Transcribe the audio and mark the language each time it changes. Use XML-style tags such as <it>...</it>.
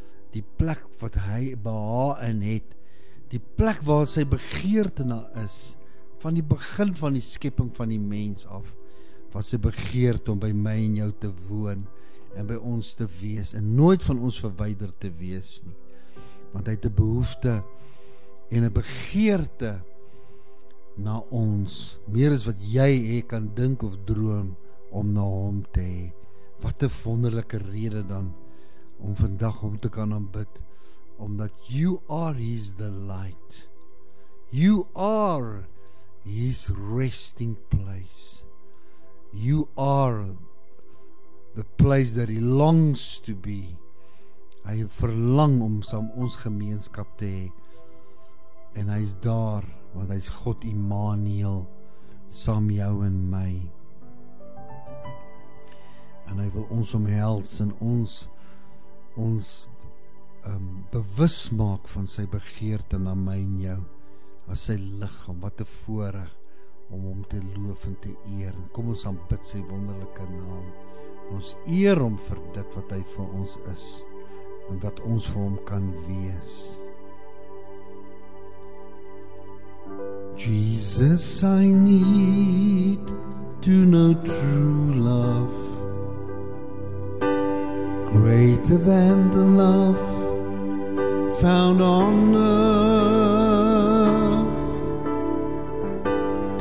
<af>die plek wat hy behaag in het, die plek waar sy begeerte na is, van die begin van die skepping van die mens af, was sy begeerte om by my en jou te woon, en by ons te wees, en nooit van ons verwyder te wees nie, want hy het 'n behoefte en 'n begeerte na ons, meer as wat jy kan dink of droom om na hom te hê. Wat 'n wonderlike rede dan om vandag hom te kan aanbid, omdat</af> <en>you are his delight, you are his resting place, you are the place that he longs to be.</en> <af>Hy verlang om saam ons gemeenskap te hê, en hy is daar, want hy is God Immanuel, saam jou en my, en hy wil ons omhels en ons bewus maak van sy begeerte na my en jou as sy liggaam. Wat 'n voorreg om hom te loof en te eer. Kom ons aanbid sy wonderlike naam, en ons eer hom vir dit wat hy vir ons is en wat ons vir hom kan wees.</af> <en>Jesus, I need to know true love, greater than the love found on earth.</en>